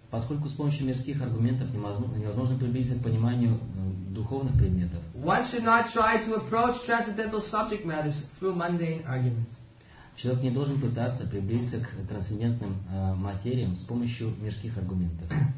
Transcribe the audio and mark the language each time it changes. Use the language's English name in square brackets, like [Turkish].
[Russian] Поскольку с помощью мирских аргументов невозможно приблизиться к пониманию духовных предметов. [English] One should not try to approach transcendental subject matters through mundane arguments. [Russian] Человек не должен пытаться приблизиться к трансцендентным материям с помощью мирских аргументов.